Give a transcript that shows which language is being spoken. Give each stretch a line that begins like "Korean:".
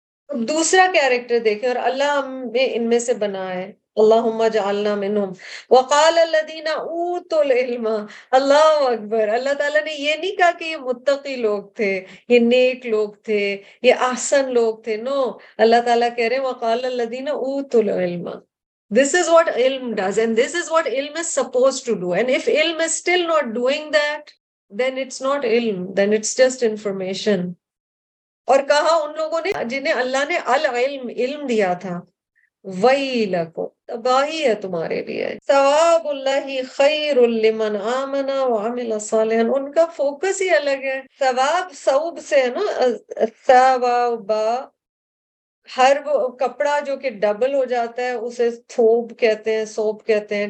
Urdu: دوسرا کیریکٹر دیکھیں, اور اللہ ہمیں ان میں سے بنائے.
Arabic: اللہم اجعلنا منہم. وقال الذین اوتوا العلم, اللہ اکبر.
Urdu: اللہ تعالیٰ نے یہ نہیں کہا کہ یہ متقی لوگ تھے, یہ نیک لوگ تھے, یہ احسن لوگ تھے. نو, اللہ تعالیٰ کہہ رہے ہیں
Arabic: وقال الذین اوتوا العلم.
English: This is what ilm does and this is what ilm is supposed to do. And if ilm is still not doing that, then it's not ilm, then it's just information.
Urdu: اور کہا ان لوگوں نے جنہیں اللہ نے العلم علم دیا تھا, ویل کو, تباہی ہے تمہارے لیے.
Arabic: ثواب اللہ خیر لمن آمن وعمل صالحا,
Urdu: ان کا فوکس ہی الگ ہے. ثواب ثوب سے ہے نا, ثواب ہر وہ کپڑا جو کہ ڈبل ہو جاتا ہے اسے ثوب کہتے ہیں, ثوب کہتے ہیں.